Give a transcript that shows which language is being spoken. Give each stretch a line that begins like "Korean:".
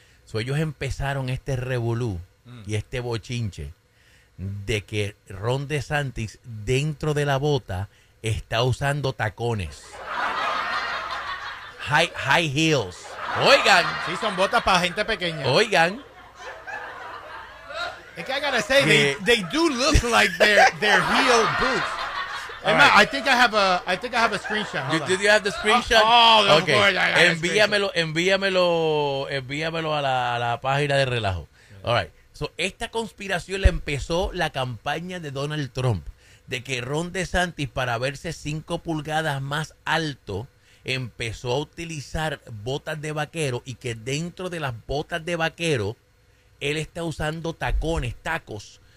Spanish: So, ellos empezaron este revolú y este bochinche de que Ron DeSantis, dentro de la bota, está usando tacones.
English: High heels. Oigan.
Spanish: Sí, son botas para gente pequeña. Oigan. Es que
English: I gotta say, they do look like they're heel boots. Right. I think I have a screenshot. You, did you have the screenshot? Oh, okay.
Spanish: Envíamelo a la página de relajo.
English: All right.
Spanish: So, esta conspiración la empezó la campaña de Donald Trump, de que Ron DeSantis, para verse 5 pulgadas más alto, empezó a utilizar botas de vaquero, y que dentro de las botas de vaquero él está usando tacos.